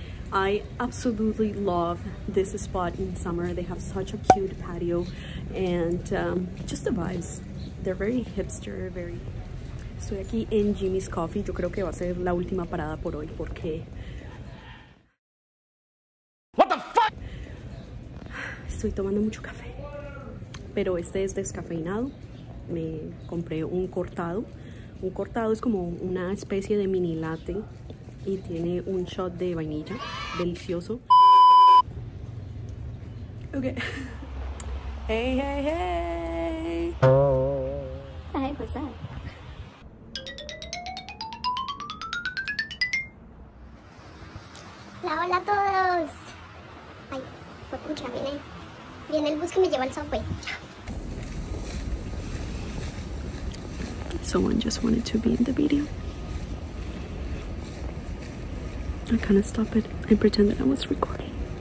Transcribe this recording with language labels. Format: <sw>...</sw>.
<en>I absolutely love this spot in summer. They have such a cute patio and just the vibes. They're very hipster, very...</en> <es>Estoy aquí en Jimmy's Coffee. Yo creo que va a ser la última parada por hoy porque...</es> <en>What the fuck?</en> <es>Estoy tomando mucho café. Pero este es descafeinado. Me compré un cortado. Un cortado es como una especie de mini latte. Y tiene un shot de vainilla. Delicioso. Ok. Hey, hey, hey.</es> <en>Hey, what's up?</en> <es>Hola, hola a todos. Ay, pues escucha, viene el bus que me lleva al subway. Chao.</es> <en>Someone just wanted to be in the video. I kind of stop it and pretend that I was recording.</en>